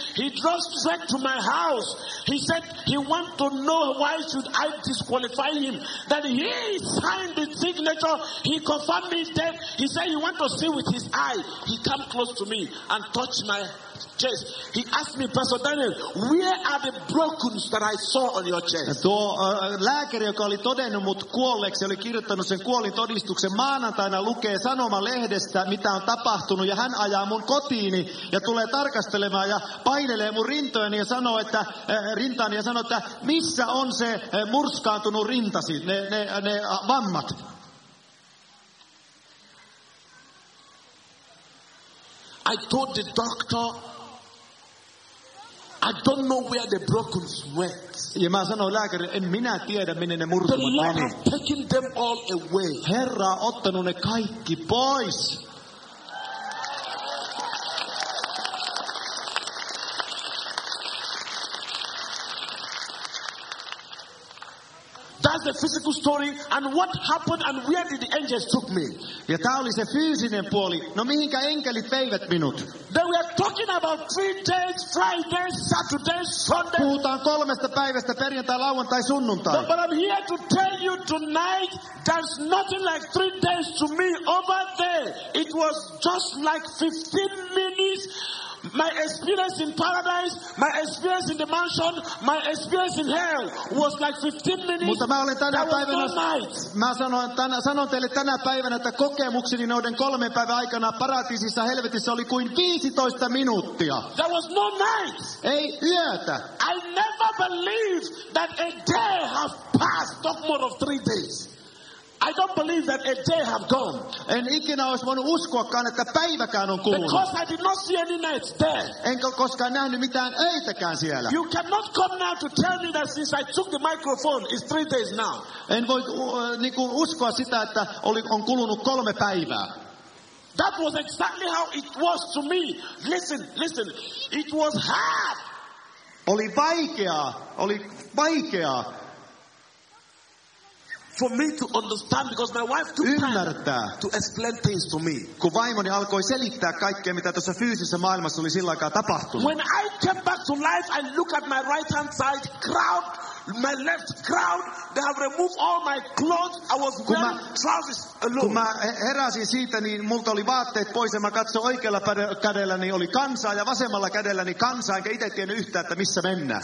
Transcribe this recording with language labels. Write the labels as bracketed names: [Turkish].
[English] He drove straight to my house. He said he want to know why should I disqualify him. That he signed the signature. He confirmed his death. He said he want to see with his eye. He come close to me and touch my chest. He asked me, Pastor Daniel, where are the brokens that I saw on your chest? [Finnish] Lääkäri, joka oli todennut mut kuolleeksi, oli kirjoittanut sen kuolintodistuksen maanantaina, lukee sanomalehdestä, mitä on tapahtunut, ja hän ajaa mun kotiini ja tulee tarkastelemaan ja painelee mun rintojani ja sanoo, että rintaani ja sanoo, että missä on se murskaantunut rintasi, ne vammat. [English] I told the doctor, I don't know where the broken went. [Finnish] Ja mä sanoin lääkärille, en minä tiedä, minne ne murtumat meni. [English] The Lord has taken them all away. [Finnish] Herra on ottanut ne kaikki pois. [English] That's the physical story, and what happened, and where did the angels took me? [Finnish] Ja tää oli se fyysinen puoli. No mihinkä enkelit veivät minut? [English] They were talking about 3 days, Friday, Saturday, Sunday. [Finnish] Puhutaan kolmesta päivästä, perjantai, lauantai, sunnuntai. [English] But I'm here to tell you tonight, there's nothing like 3 days to me over there. It was just like 15 minutes. My experience in paradise, my experience in the mansion, my experience in hell was like 15 minutes. [Finnish] Mutta mä olen tänä päivänä, mä sanon teille tänä päivänä, että kokemukseni noiden 3 päivän aikana paratiisissa helvetissä oli kuin 15 minuuttia. [English] There was no night. [Finnish] Ei yötä. [English] I never believed that a day has passed, not more of 3 days. I don't believe that a day has gone. [Finnish] En ikinä olisi voinut uskoakaan, että päiväkään on kulunut. [English] Because I did not see any nights there. [Finnish] Enkä koskaan nähnyt mitään öitäkään siellä. [English] You cannot come now to tell me that since I took the microphone, it's 3 days now. [Finnish] En voi uskoa sitä, että on kulunut 3 päivää. [English] That was exactly how it was to me. Listen, it was hard. [Finnish] Oli vaikeaa. [English] For me to understand, because my wife took [Finnish] ymmärtää, [English] time to explain things to me. [Finnish] Kun vaimoni alkoi selittää kaikkea, mitä tuossa fyysisessä maailmassa oli sillä aikaa tapahtunut. [English] When I came back to life, I look at my right hand side, crowd, my left crowd, they have removed all my clothes, I was wearing trousers alone. [Finnish] Kun mä heräsin siitä, niin multa oli vaatteet pois, ja mä katsoin oikealla kädelläni oli kansaa, ja vasemmalla kädelläni kansaa, enkä itse tiennyt yhtään, että missä mennään.